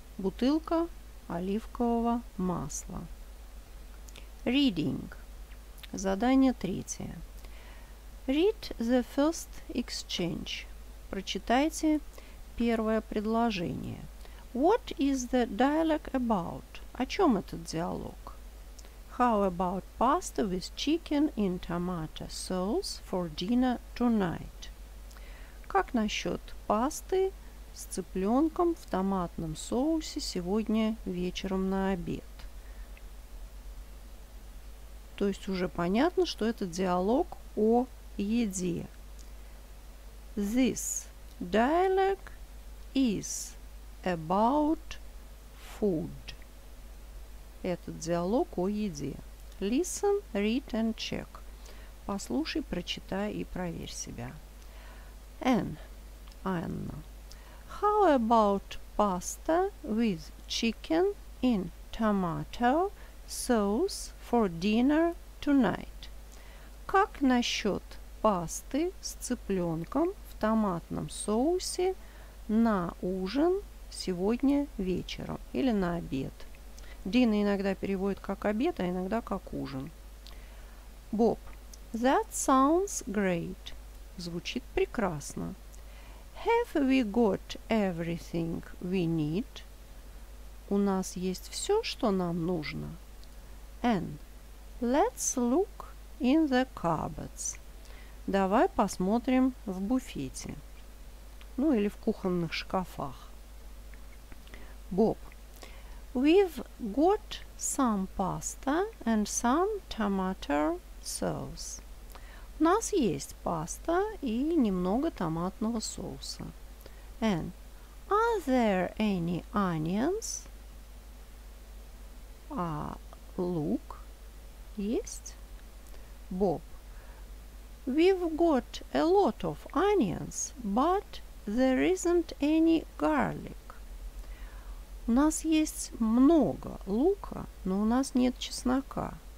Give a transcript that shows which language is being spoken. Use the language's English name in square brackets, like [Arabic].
[Russian] Бутылка оливкового масла. [English] Reading. [Russian] Задание третье. [English] Read the first exchange. [Russian] Прочитайте первое предложение. [English] What is the dialogue about? [Russian] О чем этот диалог? [English] How about pasta with chicken and tomato sauce for dinner tonight? [Russian] Как насчет пасты с цыпленком в томатном соусе сегодня вечером на обед? То есть уже понятно, что это диалог о еде. [English] This dialogue is about food. [Russian] Этот диалог о еде. [English] Listen, read and check. [Russian] Послушай, прочитай и проверь себя. Анна. [English] How about pasta with chicken and tomato sauce for dinner tonight? [Russian] Как насчет пасты с цыпленком в томатном соусе на ужин сегодня вечером или на обед? Дина иногда переводит как обед, а иногда как ужин. [English] Боб. That sounds great. [Russian] Звучит прекрасно. [English] Have we got everything we need? [Russian] У нас есть все, что нам нужно. [English] Anne. Let's look in the cupboards. [Russian] Давай посмотрим в буфете. Ну или в кухонных шкафах. Боб. [English] We've got some pasta and some tomato sauce. [Russian] У нас есть паста и немного томатного соуса. [English] And are there any onions? [Russian] А лук есть? Боб. [English] We've got a lot of onions, but there isn't any garlic. [Russian] У нас есть много лука, но у нас нет чеснока.